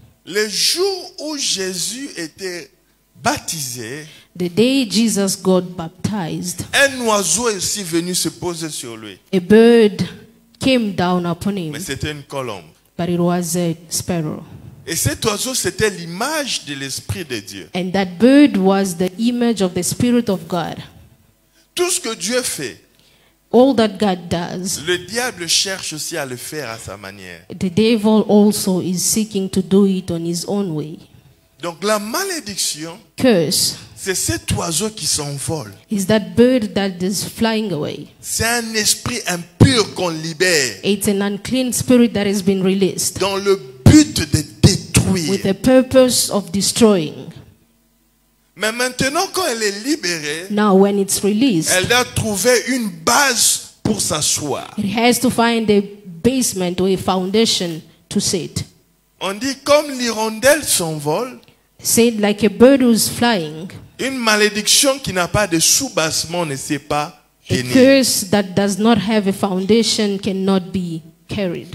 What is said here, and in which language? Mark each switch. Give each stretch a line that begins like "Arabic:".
French: Le jour où Jésus était baptisé,
English: the day Jesus got baptized,
French: un oiseau est aussi venu se poser sur lui.
English: A bird came down upon him.
French: Mais c'était une colombe.
English: But it was a sparrow.
French: Et cet oiseau, c'était l'image de l'Esprit de Dieu.
English: And that bird was the image of the Spirit of God.
French: Tout ce que Dieu fait,
English: all that God does,
French: le diable cherche aussi à le faire à sa manière.
English: The devil also is seeking to do it on his own way.
French: Donc la malédiction,
English: curse,
French: c'est cet oiseau qui s'envole.
English: Is that bird that is flying away.
French: C'est un esprit impur qu'on libère.
English: It's an unclean spirit that has been released.
French: Dans le but de
English: with a purpose of destroying.
French: Mais maintenant, quand elle est libérée,
English: now when it's released,
French: elle doit trouver une base pour s'asseoir.
English: It has to find a basement or a foundation to sit.
French: On dit comme l'hirondelle s'envole,
English: said like a bird who's flying.
French: Une malédiction qui n'a pas de sous-bassement ne sait pas tenir.
English: A curse that does not have a foundation cannot be carried.